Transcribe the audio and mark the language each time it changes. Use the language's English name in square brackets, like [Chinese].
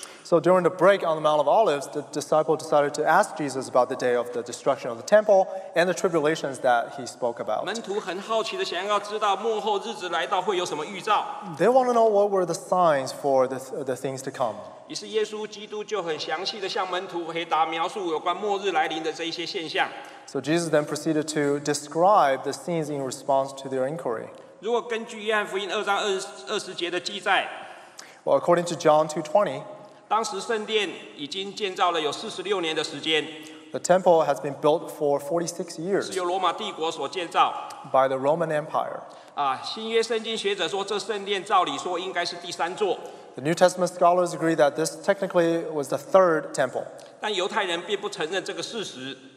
[English] So during the break on the Mount of Olives, the disciple decided to ask Jesus about the day of the destruction of the temple and the tribulations that he spoke about. [Chinese] 门徒很好奇地想要知道末后日子来到会有什么预兆。 [English] They want to know what were the signs for the things to come. [Chinese] 于是耶稣基督就很详细地向门徒回答描述有关末日来临的这一些现象。 [English] So Jesus then proceeded to describe the scenes in response to their inquiry. [Chinese] 如果根据约翰福音2章20节的记载, [English] Well, according to John 2:20, [Chinese] 当时圣殿已经建造了有46年的时间。 [English] The temple has been built for 46 years. [Chinese] 是由罗马帝国所建造。 [English] By the Roman Empire. [Chinese] 新约圣经学者说这圣殿照理说应该是第三座。 [English] The New Testament scholars agree that this technically was the third temple. [Chinese] 但犹太人并不承认这个事实。